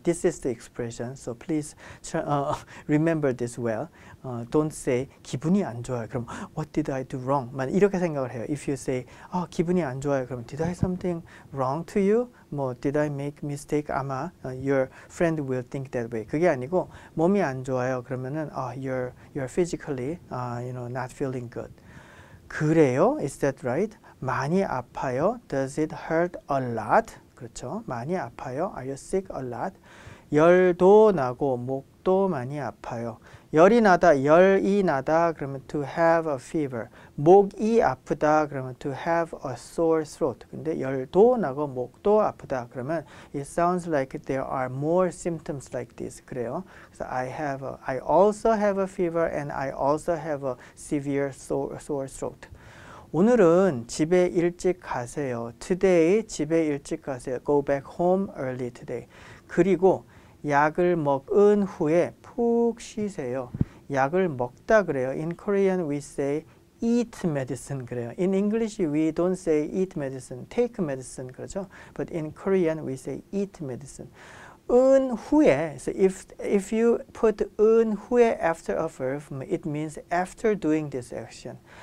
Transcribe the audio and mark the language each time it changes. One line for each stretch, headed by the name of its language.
English: This is the expression. So please remember this well. Don't say
Korean: 기분이 안 좋아요. 그럼
English: what did I do wrong?
Korean: 만 이렇게 생각을 해요.
English: If you say
Korean: 기분이 안 좋아요. 그럼
English: did I something wrong to you? 뭐 did I make mistake? 아마 your friend will think that way.
Korean: 그게 아니고 몸이 안 좋아요.
English: 그러면은 you're physically you know not feeling good.
Korean: 그래요?
English: Is that right?
Korean: 많이 아파요?
English: Does it hurt a lot?
Korean: 그렇죠. 많이 아파요?
English: Are you sick a lot?
Korean: 열도 나고 목도 많이 아파요. 열이 나다, 열이 나다 그러면
English: to have a fever.
Korean: 목이 아프다 그러면
English: to have a sore throat.
Korean: 근데 열도 나고 목도 아프다 그러면
English: it sounds like there are more symptoms like this.
Korean: 그래요.
English: So I also have a fever and I also have a severe sore throat.
Korean: 오늘은 집에 일찍 가세요.
English: Today,
Korean: 집에 일찍 가세요.
English: Go back home early today.
Korean: 그리고 약을 먹은 후에 푹 쉬세요. 약을 먹다 그래요.
English: In Korean, we say eat medicine
Korean: 그래요.
English: In English, we don't say eat medicine, take medicine,
Korean: 그렇죠?
English: But in Korean, we say eat medicine. 은 후에, so if you put 은 후에 after a verb, it means after doing this action.